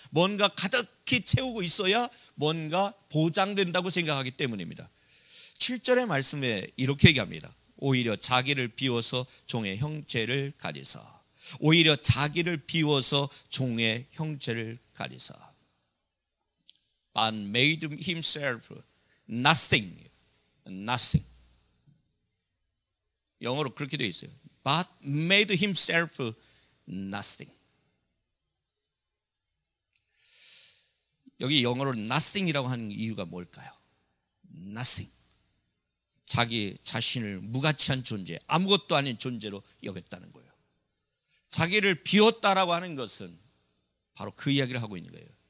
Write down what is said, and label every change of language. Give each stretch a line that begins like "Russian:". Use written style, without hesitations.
Korean: 뭔가 가득히 채우고 있어야 뭔가 보장된다고 생각하기 때문입니다. 7절의 말씀에 이렇게 얘기합니다. 오히려 자기를 비워서 종의 형체를 가리사. 오히려 자기를 비워서 종의 형체를 가리사.
English: But made himself nothing. Nothing.
Korean: 영어로 그렇게 되어 있어요.
English: But made himself nothing.
Korean: 여기 영어로 nothing이라고 하는 이유가 뭘까요?
English: Nothing.
Korean: 자기 자신을 무가치한 존재, 아무것도 아닌 존재로 여겼다는 거예요. 자기를 비웠다라고 하는 것은 바로 그 이야기를 하고 있는 거예요.